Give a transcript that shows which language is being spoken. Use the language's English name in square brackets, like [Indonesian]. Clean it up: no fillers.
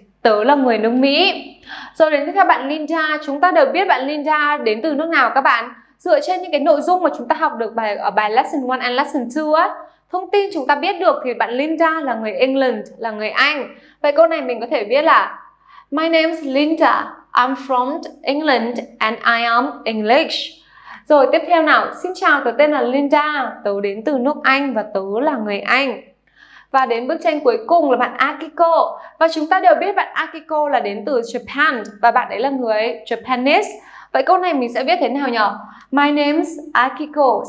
[Vietnamese] Tớ là người nước Mỹ. Rồi đến với các bạn Linda. Chúng ta đều biết bạn Linda đến từ nước nào các bạn? Dựa trên những cái nội dung mà chúng ta học được ở bài [English] Lesson 1 and Lesson 2 [Vietnamese] á, thông tin chúng ta biết được thì bạn Linda là người England, là người Anh. Vậy câu này mình có thể viết là [English] My name is Linda. I'm from England and I am English. [Vietnamese] Rồi tiếp theo nào, xin chào, tớ tên là Linda, tớ đến từ nước Anh và tớ là người Anh. Và đến bức tranh cuối cùng là bạn Akiko. Và chúng ta đều biết bạn Akiko là đến từ Japan và bạn ấy là người Japanese. Vậy câu này mình sẽ viết thế nào nhỉ? [English] My name's Akiko.